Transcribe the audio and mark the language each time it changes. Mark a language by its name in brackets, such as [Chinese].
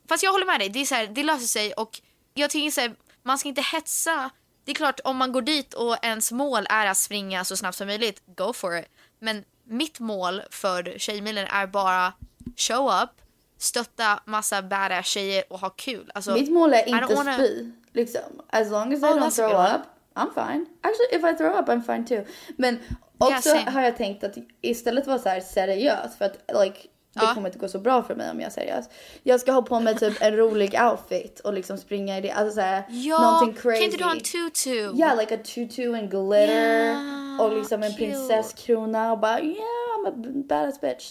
[Swedish] Fast jag håller med dig. Det är så här, det löser sig. Och jag tycker så här, man ska inte hetsa. Det är klart, om man går dit och ens mål är att springa så snabbt som möjligt, [English] go for it. [Swedish] Men mitt mål för tjejmilen är bara [English] show up, [Swedish] stötta massa badass tjejer och ha kul. Alltså, mitt mål är inte [English] wanna... [Swedish] spy. Liksom, [English] as long as I don't throw up, I'm fine. Actually, if I throw up, I'm fine too. [Swedish] Men också har jag tänkt att istället vara så här seriös, för att [English] like, [Swedish] det kommer inte gå så bra för mig om jag är seriös. Jag ska ha på mig typ en rolig outfit och liksom springa i det. Alltså så här, någonting crazy. Kan du ha en tutu? [English] Yeah, like a tutu and glitter. [Swedish] Yeah, och liksom en prinsesskrona och bara, [English] yeah, I'm a badass bitch.